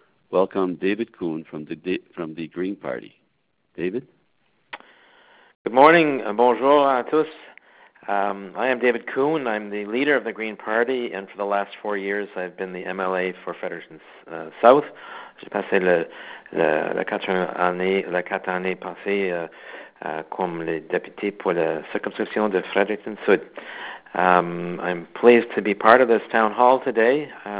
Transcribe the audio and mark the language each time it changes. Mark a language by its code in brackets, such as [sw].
[en] Welcome David Kuhn from the Green Party. David? Good morning. [fr] Bonjour à tous. [en] I am David Kuhn. I'm the leader of the Green Party, and for the last 4 years, I've been the MLA for Fredericton South. [fr] J'ai passé la quatre années passées comme le député pour la circonscription de Fredericton South. [en] I'm pleased to be part of this town hall today.